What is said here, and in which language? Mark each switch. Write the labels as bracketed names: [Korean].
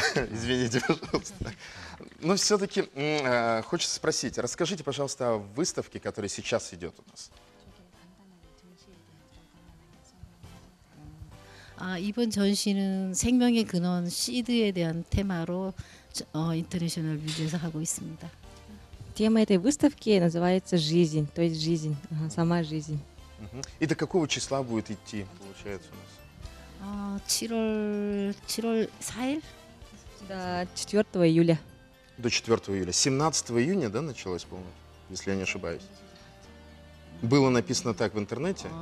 [Russian] Извините, пожалуйста. Но все-таки хочется спросить, расскажите, пожалуйста, о выставке, которая сейчас идет у нас. [Korean] 아, 이번 전시는 생명의 근원 시드에 대한 테마로 인터내셔널 뮤지에서 하고 있습니다. [Russian] Тема этой выставки называется «Жизнь», то есть жизнь, сама жизнь. И до какого числа будет идти, получается, у нас? 7 июля. До 4 июля. До 4 июля. 17 июня, да, началось, по-моему, если я не ошибаюсь? Было написано так в интернете?